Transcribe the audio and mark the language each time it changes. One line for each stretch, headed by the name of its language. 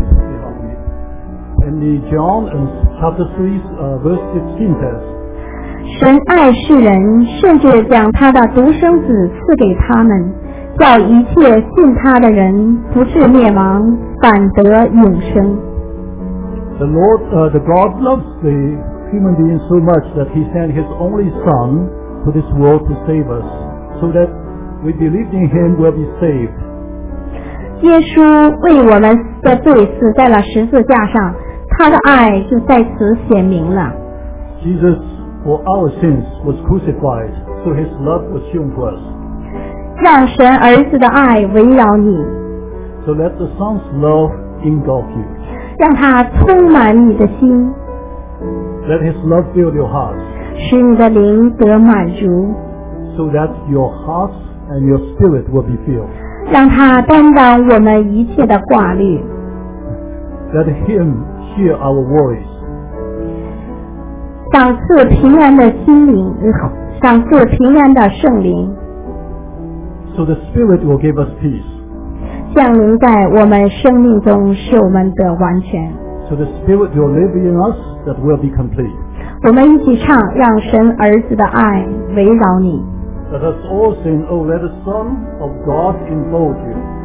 English: And the John in chapter 3 verse 16 says,
Chinese: 神爱世人，甚至将他的独生子赐给他们，叫一切信他的人不至灭亡，反得永生。
English: The Lord, the God loves the human being so much that he sent his only son to this world to save us, so that we believe in him will be saved.
Chinese: 耶稣为我们的罪死在了十字架上，他的爱就在此显明了。
English: Jesus for our sins was crucified, so his love was shown to us.
Chinese: 让神儿子的爱围绕你。
English: So let the Son's love engulf you.
Chinese: 让他充满你的心。
English: Let his love fill your heart.
Chinese: 使你的灵得满足。
English: So that your heart and your spirit will be filled.
Chinese: 让他担当我们一切的挂虑。
English: Let him hear our worries.
Chinese: 赏赐平安的心灵，赏赐平安的圣灵。
English: So the Spirit will give us peace.
Chinese: 降临在我们生命中，使我们得完全。
English: So the Spirit will live in us that will be complete.
Chinese: 我们一起唱，让神儿子的爱围绕你。
English: Let us all sing, Oh, let the Son of God enfold you.